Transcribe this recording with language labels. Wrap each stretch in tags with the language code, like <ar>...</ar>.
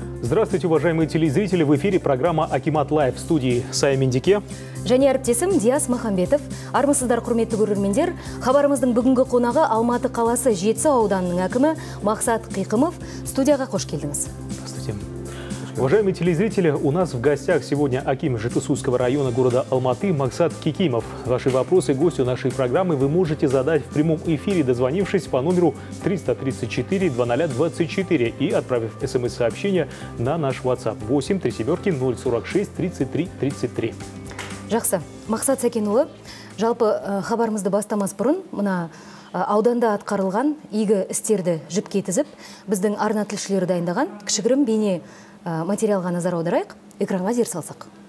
<ru>Здравствуйте, уважаемые телезрители. В эфире программа «Акимат Лайв» в студии Сая Мендике.</ru> <kk>Және әріптесім Диас Махамбетов. Армысыздар, құрметті көрермендер. Хабарымыздың бүгінгі қонағы Алматы қаласы Жетісу ауданының әкімі Мақсат Қиқымов. Студияға қош келдіңіз.</kk> <ru>Здравствуйте. Уважаемые телезрители, у нас в гостях сегодня аким Жетысуского района города Алматы Мақсат Қиқымов. Ваши вопросы гостю нашей программы вы можете задать в прямом эфире, дозвонившись по номеру 334-00-24 и отправив смс-сообщение на наш WhatsApp 837-046-33-33.</ru> <kk>Жақсы. Мақсат Сәкенұлы, жалпы хабарымызды бастамас бұрын, мына ауданда атқарылған игі істерді жіп кетізіп, біздің арна тілшілері дайындаған кішігірім бейне материалға назар аударайық, экранға зер салсақ.</kk>